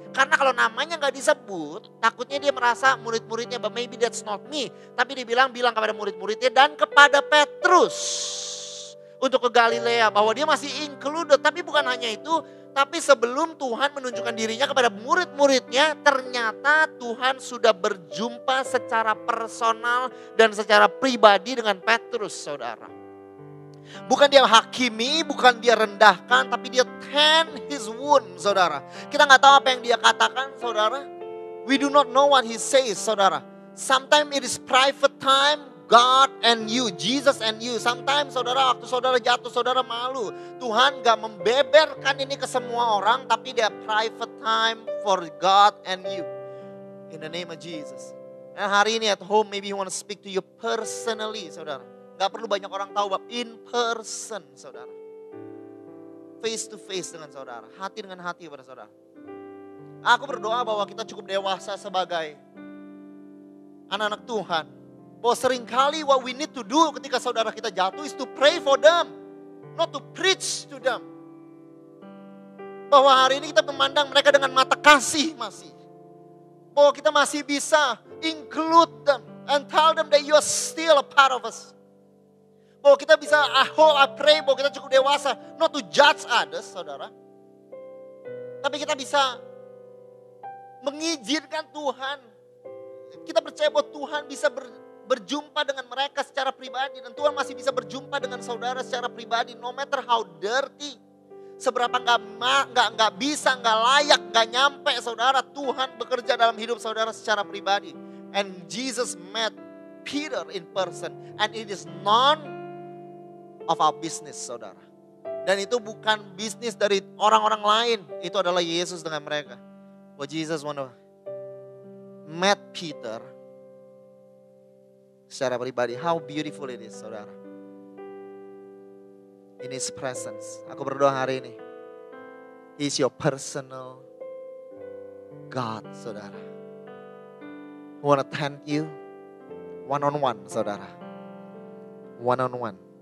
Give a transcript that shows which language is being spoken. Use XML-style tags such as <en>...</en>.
<id>Karena kalau namanya gak disebut, takutnya dia merasa murid-muridnya,</id> <en>but maybe that's not me.</en> <id>Tapi dia bilang kepada murid-muridnya dan kepada Petrus untuk ke Galilea, bahwa dia masih included. Tapi bukan hanya itu, tapi sebelum Tuhan menunjukkan dirinya kepada murid-muridnya, ternyata Tuhan sudah berjumpa secara personal dan secara pribadi dengan Petrus, saudara. Bukan dia hakimi, bukan dia rendahkan, tapi dia</id> <en>tend his wound,</en> <id>saudara. Kita gak tahu apa yang dia katakan, saudara.</id> <en>We do not know what he says, saudara. Sometimes it is private time. God and you, Jesus and you.</en> <id>Sometimes saudara waktu saudara jatuh, saudara malu. Tuhan gak membeberkan ini ke semua orang, tapi dia</id> <en>private time for God and you. In the name of Jesus. And</en> <id>hari ini</id> <en>at home, maybe he want to speak to you personally, saudara.</en> <id>Gak perlu banyak orang tahu, bab</id> <en>in person,</en> <id>saudara.</id> <en>Face to face</en> <id>dengan saudara. Hati dengan hati kepada saudara. Aku berdoa bahwa kita cukup dewasa sebagai anak-anak Tuhan. Bahwa seringkali</id> <en>what we need to do</en> <id>ketika saudara kita jatuh</id> <en>is to pray for them. Not to preach to them.</en> <id>Bahwa hari ini kita memandang mereka dengan mata kasih masih. Bahwa kita masih bisa</id> <en>include them and tell them that you are still a part of us.</en> <id>bahwa kita bisa whole,</id> <en>I pray</en> <id>bahwa kita cukup dewasa.</id> <en>Not to judge others,</en> <id>saudara. Tapi kita bisa mengizinkan Tuhan. Kita percaya bahwa Tuhan bisa berjumpa dengan mereka secara pribadi. Dan Tuhan masih bisa berjumpa dengan saudara secara pribadi.</id> <en>No matter how dirty.</en> <id>Seberapa gak bisa, gak layak, gak nyampe saudara. Tuhan bekerja dalam hidup saudara secara pribadi.</id> <en>And Jesus met Peter in person. And it is none of our business, saudara.</en> <id>Dan itu bukan bisnis dari orang-orang lain. Itu adalah Yesus dengan mereka.</id> <en>Well, Jesus met Peter secara pribadi. How beautiful it is, saudara. In His presence.</en> <id>Aku berdoa hari ini.</id> <en>He's your personal God, saudara. I want to thank you. One-on-one, saudara. One-on-one.</en>